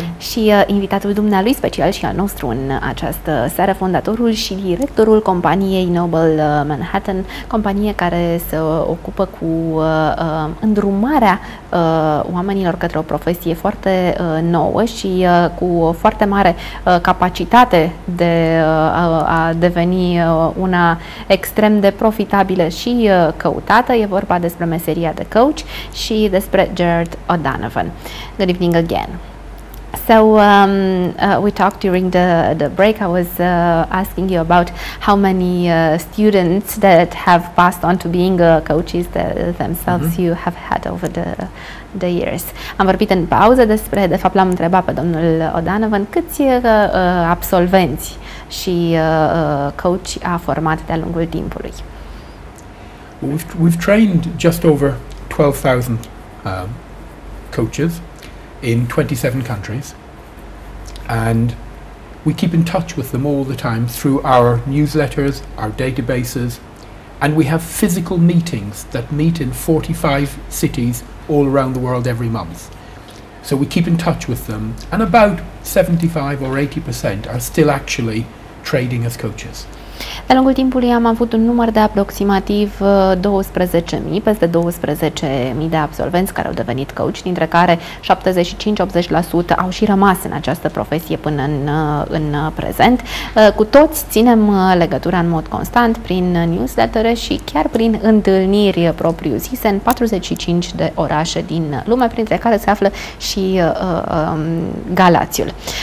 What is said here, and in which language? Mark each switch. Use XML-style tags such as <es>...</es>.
<ro>Și invitatul dumnealui special și al nostru în această seară, fondatorul și directorul companiei Noble Manhattan, companie care se ocupă cu îndrumarea oamenilor către o profesie foarte nouă și cu o foarte mare capacitate de a deveni una extrem de profitabilă și căutată. E vorba despre meseria de coach și despre Gerard O'Donovan.</ro> <en>Good evening again. So we talked during the break. I was asking you about how many students that have passed on to being coaches themselves mm-hmm. you have had over the years.</en> <ro>Am vorbit în pauză despre, de fapt l-am întrebat pe domnul O'Donovan, câți absolvenți și coach a format de-a lungul timpului.</ro> <en>We've trained just over 12,000 coaches in 27 countries, and we keep in touch with them all the time through our newsletters, our databases, and we have physical meetings that meet in 45 cities all around the world every month. So we keep in touch with them, and about 75% or 80% are still actually trading as coaches.</en> <ro>De lungul timpului am avut un număr de aproximativ 12.000, peste 12.000 de absolvenți care au devenit coach, dintre care 75-80% au și rămas în această profesie până în prezent. Cu toți ținem legătura în mod constant prin newsletter și chiar prin întâlniri propriu-zise în 45 de orașe din lume, printre care se află și Galațiul.</ro>